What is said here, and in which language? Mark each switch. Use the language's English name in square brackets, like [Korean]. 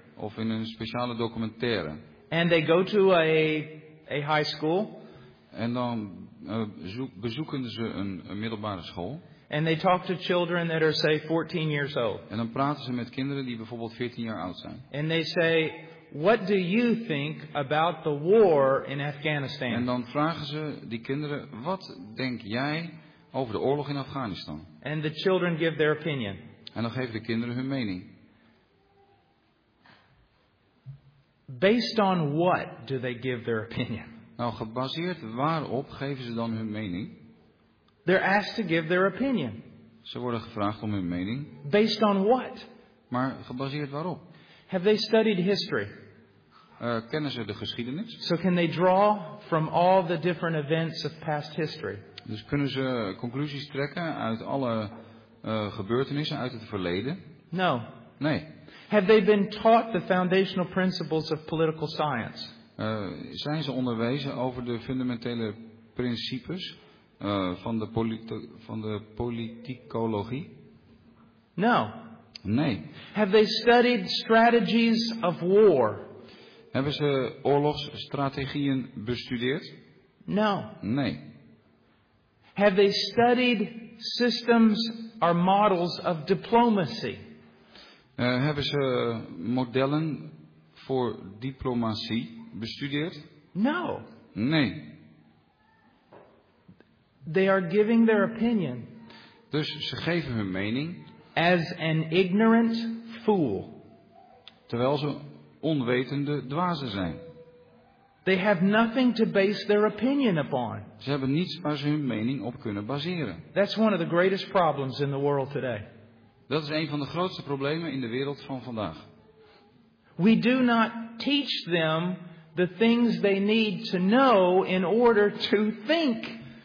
[Dutch] Of in een speciale documentaire. [English] And they go to a high school. [Dutch] En dan bezoeken ze een middelbare school. [English] And they talk to children that are say 14 years old. [Dutch] En dan praten ze met kinderen die bijvoorbeeld 14 jaar oud zijn. [English] And they say, what do you think about the war in Afghanistan? [Dutch] En dan vragen ze die kinderen, wat denk jij over de oorlog in Afghanistan? [English] And the children give their opinion. [Dutch] En dan geven de kinderen hun mening. [English] Based on what do they give their opinion? [Dutch] Nou, gebaseerd waarop geven ze dan hun mening? [English] They're asked to give their opinion. [Dutch] Ze worden gevraagd om hun mening. [English] Based on what? [Dutch] Maar gebaseerd waarop? [English] Have they studied history? [Dutch] Kennen ze de geschiedenis? [English] So can they draw from all the different events of past history? [Dutch] Dus kunnen ze conclusies trekken uit alle gebeurtenissen uit het verleden? [English] No. [Dutch] Nee. [English] Have they been taught the foundational principles of political science? [Dutch] Zijn ze onderwezen over de fundamentele principes van de politicologie? [English] No. [Dutch] Nee. [English] Have they studied strategies of war? [Dutch] Hebben ze oorlogsstrategieën bestudeerd? [English] No. [Dutch] Nee. [English] Have they studied systems or models of diplomacy? [Dutch] Hebben ze modellen voor diplomatie bestudeerd? [English] No. [Dutch] Nee. [English] They are giving their opinion. [Dutch] Dus ze geven hun mening. [English] As an ignorant fool. [Dutch] Terwijl ze onwetende dwazen zijn. [English] They have nothing to base their opinion upon. [Dutch] Ze hebben niets waar ze hun mening op kunnen baseren. [English] That's one of the greatest problems in the world today. [Dutch] Dat is een van de grootste problemen in de wereld van vandaag. [English] We do not teach them the things they need to know in order to think.